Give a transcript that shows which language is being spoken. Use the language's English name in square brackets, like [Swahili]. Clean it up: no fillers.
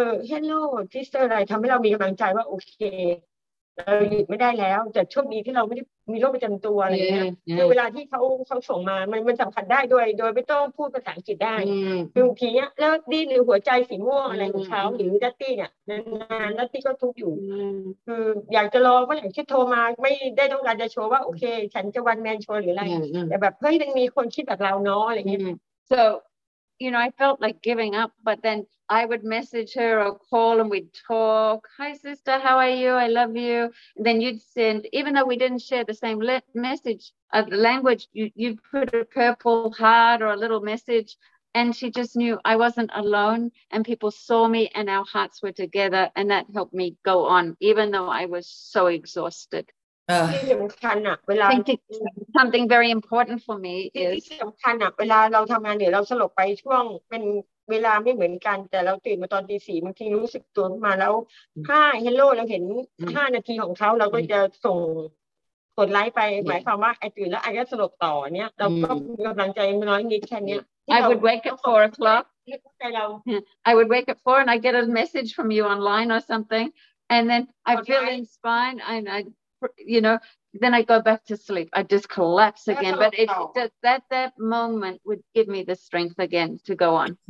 [English] Hello, sister. [Thai] อะไรทำให้เรามีกำลังใจว่าโอเคเราหยุดไม่ได้แล้วแต่ช่วงนี้ที่เราไม่ได้มีโรคประจำตัวอะไรเงี้ยคือเวลาที่เขาส่งมามันสัมผัสได้โดยไม่ต้องพูดภาษาอังกฤษได้ คือบางทีเนี้ยแล้วดีหรือหัวใจสีม่วงอะไรของเขาหรือดัตตี้เนี้ยนานๆดัตตี้ก็ทุกอยู่ คืออยากจะรอว่าอย่างที่โทรมาไม่ได้ต้องการจะโชว์ว่าโอเคฉันจะวันแมนโชว์หรืออะไรแต่แบบเฮ้ยยังมีคนคิดแบบเราเนาะอะไรเงี้ย [English] soYou know, I felt like giving up, but then I would message her or call and we'd talk. Hi, sister, how are you? I love you. And then you'd send, even though we didn't share the same message of the language, you'd put a purple heart or a little message. And she just knew I wasn't alone and people saw me and our hearts were together. And that helped me go on, even though I was so exhausted. Something very important for me is [Thai] สำคัญอ่ะเวลาเราทำงานเนี่ยเราสลบไปช่วงเป็นเวลาไม่เหมือนกันแต่เราตื่นมาตอนตีสี่บางทีรู้สึกตัวมาแล้วห้าเฮลโลเราเห็น5นาทีของเขาเราก็จะส่งกดไลค์ไปหมายความว่าไอ้ตื่นแล้วไอ้ก็สลบต่อเนี่ยเราก็กำลังใจน้อยนิดแค่นี้ [English] I would wake at 4 o'clock I would wake at 4 and I get a message from you online or something and then I feel inspired andYou know, then I go back to sleep. I just collapse again. But that moment would give me the strength again to go on.